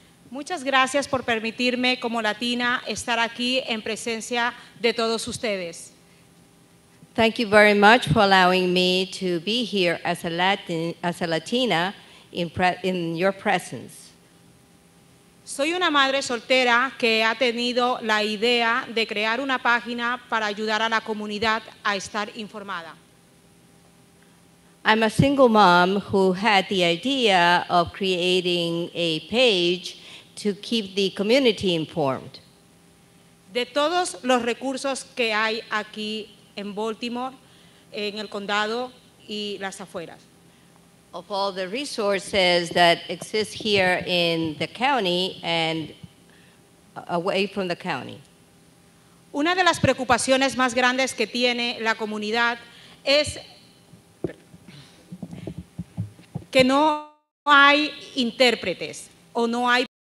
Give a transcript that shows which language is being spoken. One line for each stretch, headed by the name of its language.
Spanish: Muchas gracias por permitirme, como latina, estar aquí en presencia de todos ustedes.
English: Thank you very much for allowing me to be here as a Latin, as a Latina, in your presence.
Spanish: Soy una madre soltera que ha tenido la idea de crear una página para ayudar a la comunidad a estar informada.
English: I'm a single mom who had the idea of creating a page to keep the community informed.
Spanish: De todos los recursos que hay aquí en Baltimore, en el condado y las afueras.
English: Of all the resources that exist here in the county and away from the county.
Spanish: Una de las preocupaciones más grandes que tiene la comunidad es que no hay intérpretes o no hay.